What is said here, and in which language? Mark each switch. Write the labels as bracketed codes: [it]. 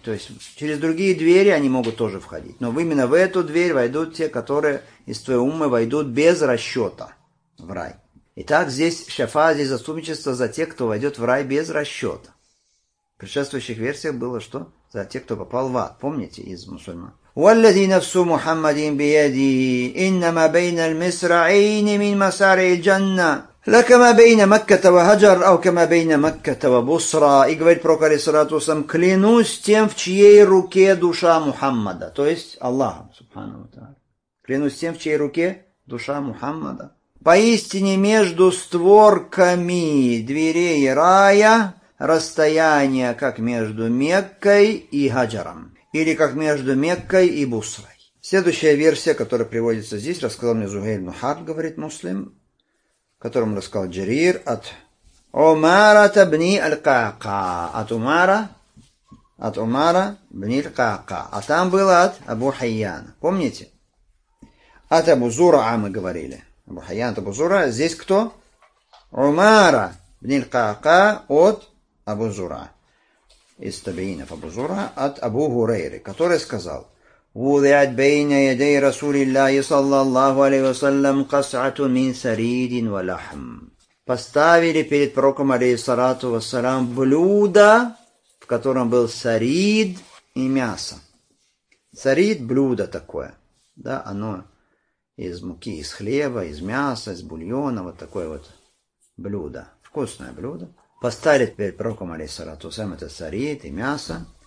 [ru] То есть через другие двери они могут тоже входить. Но именно в эту дверь войдут те, которые из твоей уммы войдут без расчета в рай. Итак, здесь шафа, здесь заступничество за тех, кто войдет в рай без расчета. В предшествующих версиях было что? За тех, кто попал в ад. Помните, из мусульман? [ar] والذي نفس محمد بيده إنما بين المصرعين من مسار الجنة لكما بين مكة وهجر أو كما بين مكة وبصرة. [ru] И говорит пророк алейхиссалату вассалям: клянусь тем, в чьей руке душа Мухаммада, то есть Аллахом субхана ва тааля. Клянусь тем, в чьей руке душа Мухаммада. Поистине между створками дверей рая расстояние, как между Меккой и Хаджаром. Или как между Меккой и Бусрой. Следующая версия, которая приводится здесь, рассказал мне Зухейр ибн Харб, говорит Муслим, которому рассказал Джарир от Умара табни аль-кака. От Умара. От Умара бни аль-кака. А там было от Абу Хайяна. Помните? От Абу Зура мы говорили. Абу Хайян от Абу Зура. Здесь кто? Умара бни аль-кака от Абу Зура. Из табиинов Абу Зура. От Абу Гурейры, который сказал... [ar] وضعت بين يدي رسول الله صلى الله عليه وسلم قصعة من سريد ولحم. [ru] Поставили перед пророком алейхиссалату вассалям блюдо, в котором был сарид и мясо. Сарид – блюдо такое. Да, оно из муки, из хлеба, из мяса, из бульона. Вот такое вот блюдо. Вкусное блюдо. Поставили перед пророком алейхиссалату вассалям это сарид и мясо.